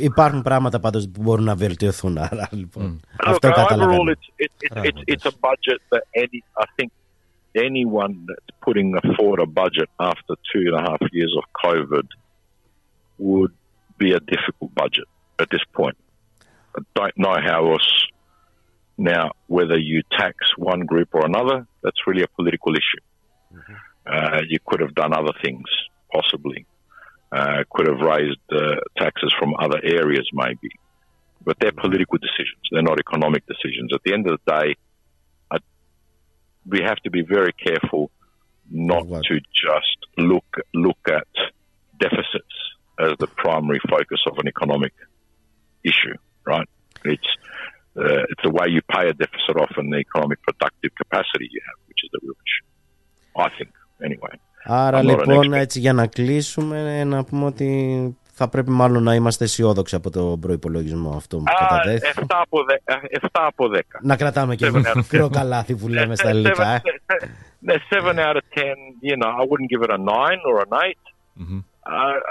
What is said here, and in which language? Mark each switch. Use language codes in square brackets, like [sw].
[el] Υπάρχουν πράγματα πάντως που μπορούν να βελτιωθούν, άρα λοιπόν. [en] Look, [el] αυτό καταλαβαίνω. [en] Overall, it's a budget that any, I think anyone that's putting forward a budget after 2.5 years of COVID would be a difficult budget at this point. I don't know how else... Now, whether you tax one group or another, that's really a political issue. Mm-hmm. You could have done other things, possibly. Could have raised taxes from other areas, maybe. But they're political decisions. They're not economic decisions. At the end of the day, we have to be very careful not to just look at deficits as the primary focus of an economic issue, right? It's the way you pay a deficit off and the economic productive capacity you have, which is the real issue, I think, anyway. [el] Άρα λοιπόν, έτσι για να κλείσουμε, να πούμε ότι θα πρέπει μάλλον να είμαστε αισιόδοξοι από το προϋπολογισμό αυτό που καταδέθηκε. 7 από 10. Να κρατάμε και ένα μικρό καλάθι που λέμε στα ελληνικά. [en] 7 out of 10, you know, I wouldn't give it a 9 or an 8.